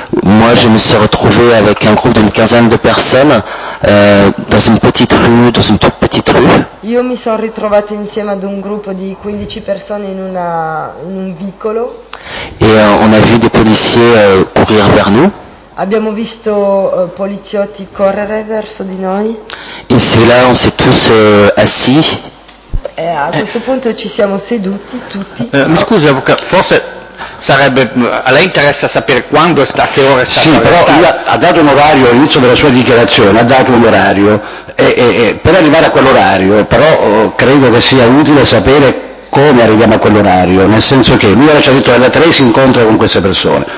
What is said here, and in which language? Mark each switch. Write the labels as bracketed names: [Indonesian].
[French] Moi, je me suis retrouvé avec un groupe d'une quinzaine de personnes dans une toute petite rue. [Italian] Io mi sono ritrovato insieme ad un gruppo di 15 persone in un vicolo. [French] Et on a vu des policiers courir vers nous. [Italian] Abbiamo visto poliziotti correre verso di noi. [French] Et c'est là on s'est tous assis. [Italian] E a questo punto ci siamo seduti tutti. Mi scusi, avvocato, forse sarebbe, a lei interessa sapere quando è stato, che ora è stato. Sì, però ha dato un orario all'inizio della sua dichiarazione, ha dato un orario, e per arrivare a quell'orario, però credo che sia utile sapere come arriviamo a quell'orario, nel senso che lui ora ci ha detto che alle 3 si incontra con queste persone,